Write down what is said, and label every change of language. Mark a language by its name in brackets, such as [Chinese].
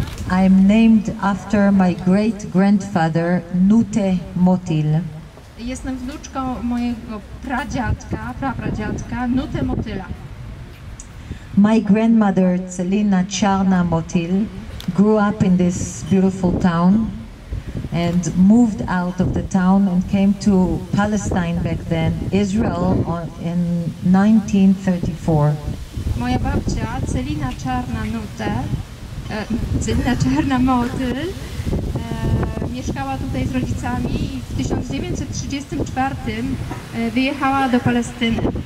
[English] I'm named after my great grandfather Nute Motyl. [Polish] Jestem wnuczką mojego pradziadka, prapradziadka Nute Motyla. [English] My grandmother Celina Czarna Motyl grew up in this beautiful town and moved out of the town and came to Palestine back then, Israel, in 1934. [Polish] Moja babcia, Celina Czarna Nute, Celina Czarna Motyl, mieszkała tutaj z rodzicami i w 1934 wyjechała do Palestyny.